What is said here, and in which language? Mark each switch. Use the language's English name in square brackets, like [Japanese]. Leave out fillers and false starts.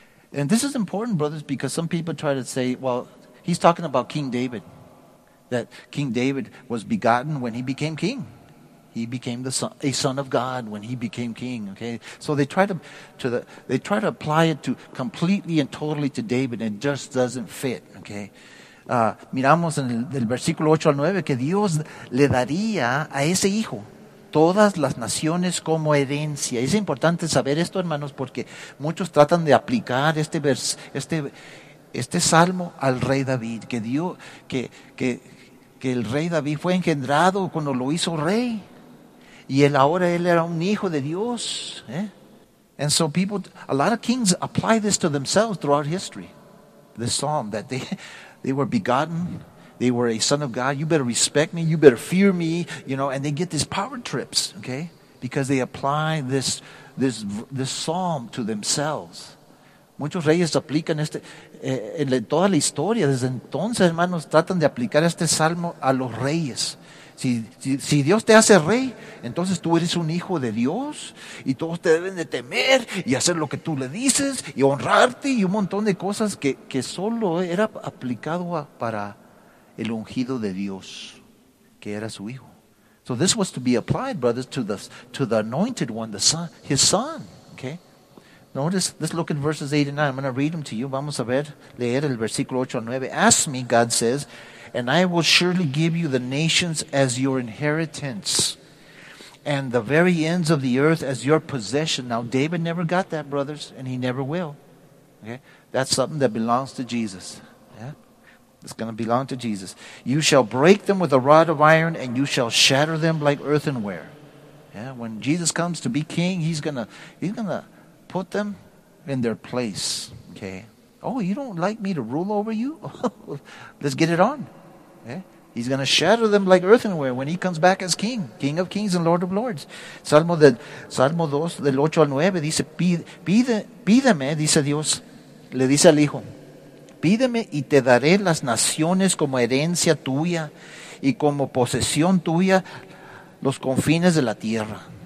[English] And this is important, brothers, because some people try to say, well, he's talking about King David, that King David was begotten when he became king. He became a son of God when he became king. Okay, so they try to apply it to completely and totally to David, and it just doesn't fit. [Spanish] Okay, miramos en el versículo 8 al 9 que Dios le daría a ese hijo todas las naciones como herencia. Es importante saber esto, hermanos, porque muchos tratan de aplicar este salmo al rey David, que el rey David fue engendrado cuando lo hizo rey, y ahora él era un hijo de Dios. [English] And so people, a lot of kings apply this to themselves throughout history, this psalm, that they were begotten, they were a son of God, you better respect me, you better fear me, you know, and they get these power trips, okay? Because they apply this psalm to themselves. [Spanish] Muchos reyes aplican en toda la historia, desde entonces, hermanos, tratan de aplicar este salmo a los reyes. Si Dios te hace rey, entonces tú eres un hijo de Dios, y todos te deben de temer, y hacer lo que tú le dices, y honrarte, y un montón de cosas que solo era aplicado para el ungido de Dios, que era su hijo. [English] So this was to be applied, brothers, to the anointed one, the son, his son. Okay. Notice, let's look at verses 8 and 9. I'm going to read them to you. [Spanish] Vamos a ver, leer el versículo 8 al 9. [English] Ask me, God says, and I will surely give you the nations as your inheritance, and the very ends of the earth as your possession. Now, David never got that, brothers, and he never will. Okay? That's something that belongs to Jesus. Yeah? It's going to belong to Jesus. You shall break them with a rod of iron, and you shall shatter them like earthenware. Yeah? When Jesus comes to be king, he's gonna put them in their place. Okay? Oh, you don't like me to rule over you? Let's get it on. Yeah? He's going to shatter them like earthenware when he comes back as king, King of kings and Lord of lords. [Spanish] Salmo 2, del 8 al 9, dice, pídeme, dice Dios, le dice al Hijo, pídeme y te daré las naciones como herencia tuya y como posesión tuya los confines de la tierra.